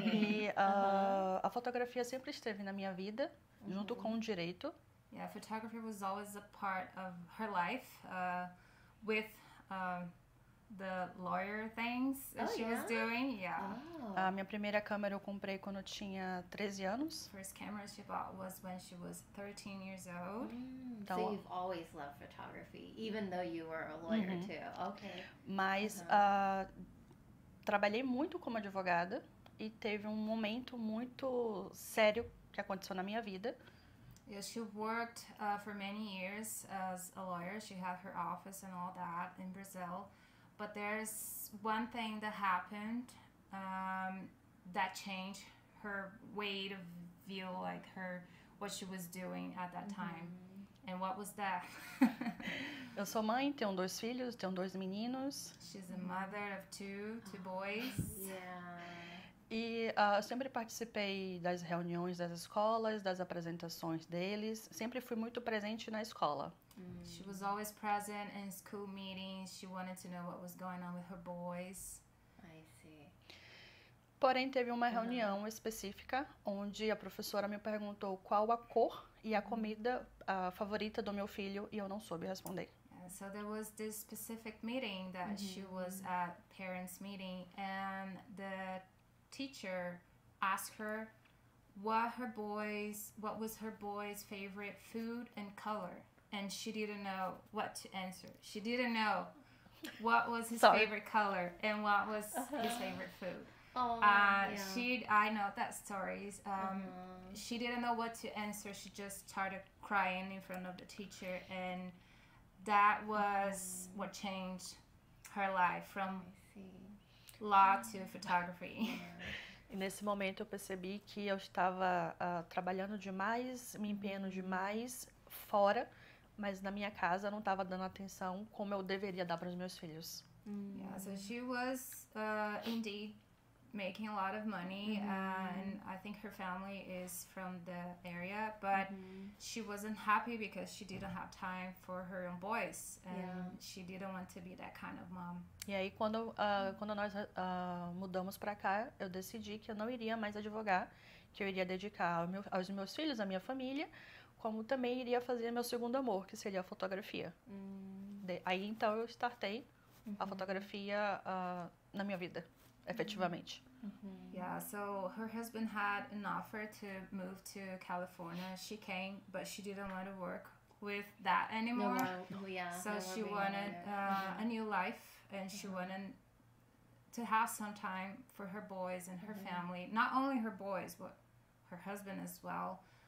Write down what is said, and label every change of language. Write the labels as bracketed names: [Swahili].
[Portuguese] E a fotografia sempre esteve na minha vida, junto com o direito. [English] Yeah, photography was always a part of her life with the lawyer things that was doing. Yeah. [Portuguese] A minha primeira câmera eu comprei quando eu tinha 13 anos. [English] First camera she bought was when she was 13 years old. Então, so you've always loved photography, even though you were a lawyer too. Okay. [Portuguese] Mas trabalhei muito como advogada e teve um momento muito sério que aconteceu na minha vida. [English] Yeah, she worked for many years as a lawyer. She had her office and all that in Brazil. But there's one thing that happened that changed her way to view, like, her what she was doing at that time. And what was that? [Portuguese] Eu sou mãe, tenho dois filhos, tenho dois meninos. [English] She's a mother of two boys. Yeah. [Portuguese] E eu sempre participei das reuniões das escolas, das apresentações deles. Sempre fui muito presente na escola. [English] She was always present in school meetings. She wanted to know what was going on with her boys. I see. [Portuguese] Porém, teve uma reunião específica onde a professora me perguntou qual a cor e a comida favorita do meu filho e eu não soube responder. [English] Yeah, so there was this specific meeting that she was at parents meeting and the teacher asked her what was her boy's favorite food and color. And she didn't know what to answer. She didn't know what was his favorite color and what was his favorite food. I know that story. She didn't know what to answer. She just started crying in front of the teacher. And that was what changed her life from law to photography. [Portuguese] E nesse momento eu percebi que eu estava trabalhando demais, me empenhando demais fora. Mas na minha casa não estava dando atenção como eu deveria dar para os meus filhos. [English] Yeah, so she was indeed making a lot of money, and I think her family is from the area, but she wasn't happy because she didn't have time for her own boys, and she didn't want to be that kind of mom. [Portuguese] E aí quando quando nós mudamos para cá, eu decidi que eu não iria mais advogar, que eu iria dedicar aos meus filhos, à minha família. Como também iria fazer meu segundo amor, que seria a fotografia. Aí então eu startei a fotografia na minha vida, efetivamente. [English] Yeah, so her husband had an offer to move to California. She came, but she didn't want to work with that anymore. She wanted a new life, and she wanted to have some time for her boys and her family. Not only her boys, but her husband as well.